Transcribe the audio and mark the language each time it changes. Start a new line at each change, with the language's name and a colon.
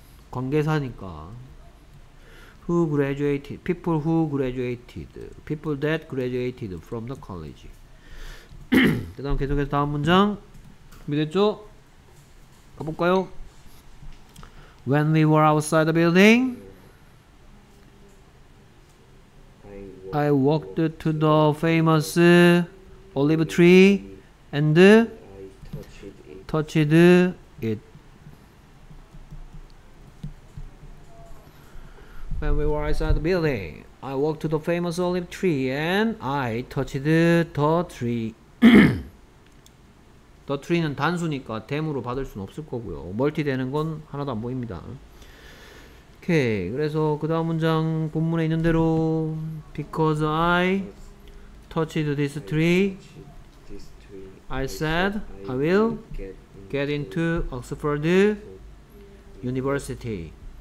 Korean: 관계사니까.
English: Who graduated? People who graduated. People that graduated from the college.
Korean: 그 다음 계속해서 다음 문장 준비됐죠? 가볼까요?
English: When we were outside the building, I walked to the famous olive tree and touched it. When we were outside the building, I walked to the famous olive tree and I touched the tree.
Korean: The tree는 단수니까 댐으로 받을 수는 없을 거고요. 멀티 되는 건 하나도 안 보입니다. 오케이. 그래서 그 다음 문장 본문에 있는 대로
English: Because I touched this tree, I said I will get into Oxford University.